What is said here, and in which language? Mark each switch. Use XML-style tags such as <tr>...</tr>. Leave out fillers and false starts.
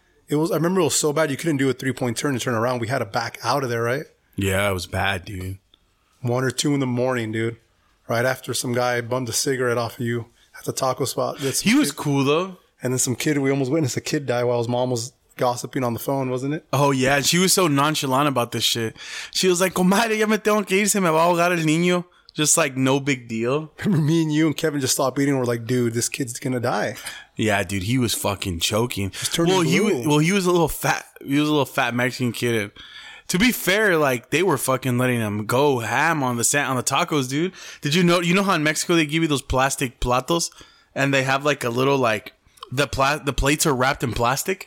<en>I remember it was so bad you couldn't do a 3-point turn and turn around. We had to back out of there, right? Yeah, it was bad, dude. 1 or 2 in the morning, dude. Right after some guy bummed a cigarette off of you at the taco spot. He was cool, though. And then some kid, we almost witnessed a kid die while his mom was gossiping on the phone, wasn't it? Oh, yeah. And she was so nonchalant about this shit.</en> <es>She was like, comadre, ya me tengo que irse, me va a ahogar el niño.</es> <en>Just like, no big deal. Remember me and you and Kevin just stopped eating. We're like, dude, this kid's going to die. Yeah, dude, he was fucking choking. He's turning blue. He was a little fat Mexican kid. To be fair, like, they were fucking letting him go ham on the tacos, dude. Did you know, how in Mexico they give you those plastic platos? And they have like a little, like, the plates are wrapped in plastic?</en>